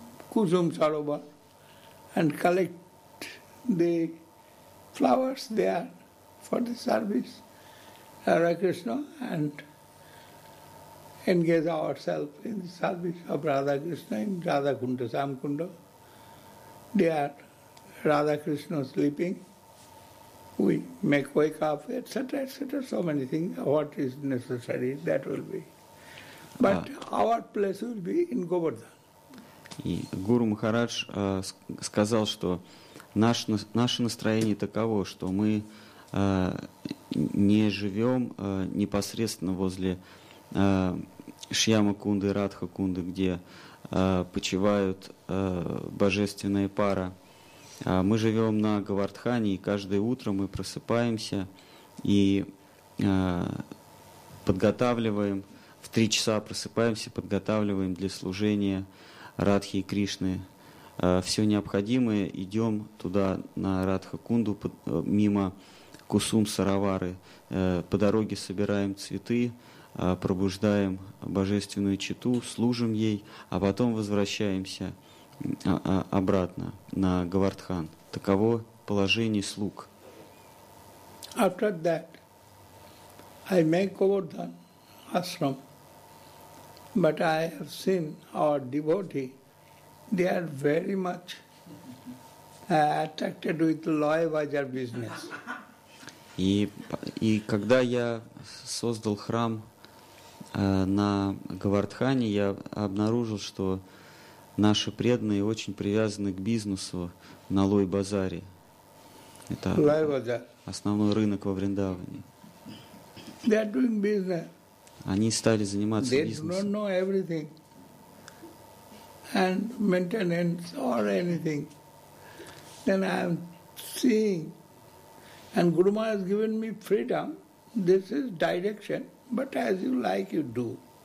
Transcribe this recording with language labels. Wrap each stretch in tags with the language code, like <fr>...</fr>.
<en>Kusum Sarovar and collect the flowers there for the service Hare Krishna and engage ourselves in the service of Radha Krishna in Radha Kunda Samkunda. There Radha Krishna sleeping, we make wake up, etc., etc., so many things, what is necessary, that will be. But our place will be in Govardhan.</en> <ru>И Гуру Махарадж сказал, что наше настроение таково, что мы не живем непосредственно возле Шьяма Кунды, Радха Кунды, где почивают божественная пара. Мы живем на Говардхане, и каждое утро мы просыпаемся и подготавливаем, в 3 часа просыпаемся, подготавливаем для служения Радхи и Кришны все необходимое, идем туда, на Радха-кунду, мимо Кусум-саравары, по дороге собираем цветы, пробуждаем божественную читу, служим ей, а потом возвращаемся обратно на Говардхан. Таково положение слуг.</ru> <en>After that, I make Govardhan ashram, but I have seen our devotee, they are very much attracted with the loy bazar business.</en> <ru>И когда я создал храм на Говардхане, я обнаружил, что наши преданные очень привязаны к бизнесу на лой-базаре. Это основной рынок во Вриндаване.</ru> <en>They are doing business.</en> <ru>Они стали заниматься</ru> <en>they</en> <ru>бизнесом.</ru> <en>They don't know everything and maintenance or anything. Then I am seeing. And Guru Maharaj has given me freedom. This is direction, but as you like, you do.</en>